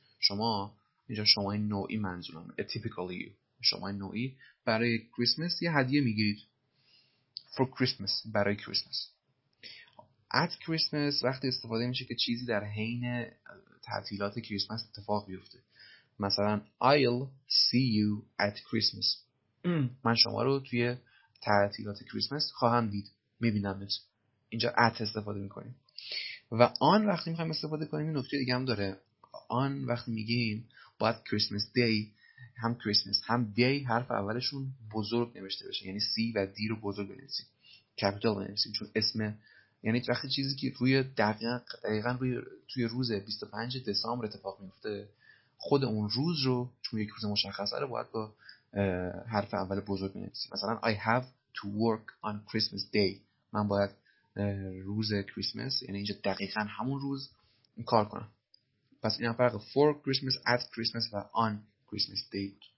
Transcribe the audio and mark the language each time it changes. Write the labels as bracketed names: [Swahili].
[Persian] شما اینجا شمای نوعی منظورم، [English] a typical you، [Persian] شمای نوعی برای کریسمس یه هدیه میگیرید. [English] For Christmas، [Persian] برای کریسمس. [English] At Christmas [Persian] وقتی استفاده میشه که چیزی در حین تعطیلات کریسمس اتفاق بیفته. مثلا [English] I'll see you at Christmas. [Persian] من شما رو توی تعطیلات کریسمس خواهم دید. میبینمت. اینجا at استفاده میکنیم. و on وقتی میخوایم استفاده کنیم، نکته دیگه هم داره. on وقتی میگیم باید Christmas day، هم کریسمس هم دی حرف اولشون بزرگ نوشته بشه، یعنی سی و دی رو بزرگ بنویسید، کپیتال بنویسید، چون اسم، یعنی وقتی چیزی که روی دقیقاً روی توی روز 25 دسامبر اتفاق میفته، خود اون روز رو چون یک روز مشخصه رو باید با حرف اول بزرگ بنویسید. مثلا [English] I have to work on Christmas day، [Persian] من باید روز کریسمس، یعنی اینجا دقیقاً همون روز کار کنم. پس اینا فرق [English] for Christmas، at Christmas [Persian] و [English] on Christmas day.